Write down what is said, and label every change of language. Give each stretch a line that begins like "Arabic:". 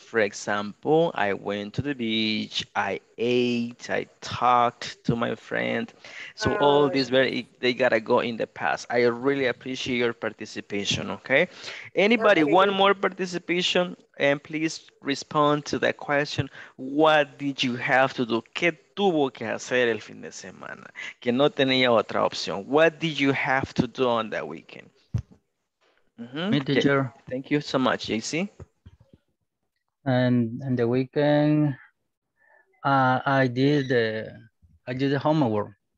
English: For example, I went to the beach, I ate, I talked to my friend. So all these verbs, they gotta go in the past. I really appreciate your participation, okay? Anybody, okay. One more participation, and please respond to that question. What did you have to do?
Spanish: ¿Qué tuvo que hacer el fin de semana? Que no tenía otra opción.
English: What did you have to do on that weekend? Mm-hmm. Me, teacher. Okay. Thank you so much, JC. And the weekend, I did the homework.